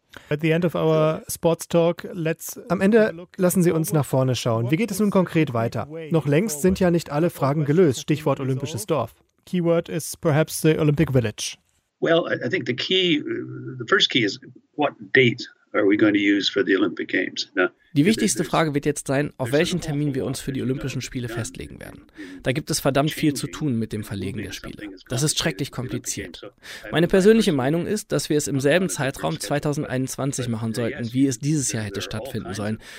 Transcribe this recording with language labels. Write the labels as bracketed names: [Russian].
[English] At the end of our sports talk, let's. [German] Am Ende lassen Sie uns nach vorne schauen. Wie geht es nun konkret weiter? Noch längst sind ja nicht alle Fragen gelöst. Stichwort Olympisches Dorf. [English] Keyword is perhaps the Olympic Village. Well, I think the first key is what date are we going to use for the Olympic Games? Now, [German] die wichtigste Frage wird jetzt sein, auf welchen Termin wir uns für die Olympischen Spiele festlegen werden. Da gibt es verdammt viel zu tun mit dem Verlegen der Spiele. Das ist schrecklich kompliziert. Meine persönliche Meinung ist, dass wir es im selben Zeitraum 2021 machen sollten, wie es dieses Jahr hätte stattfinden sollen.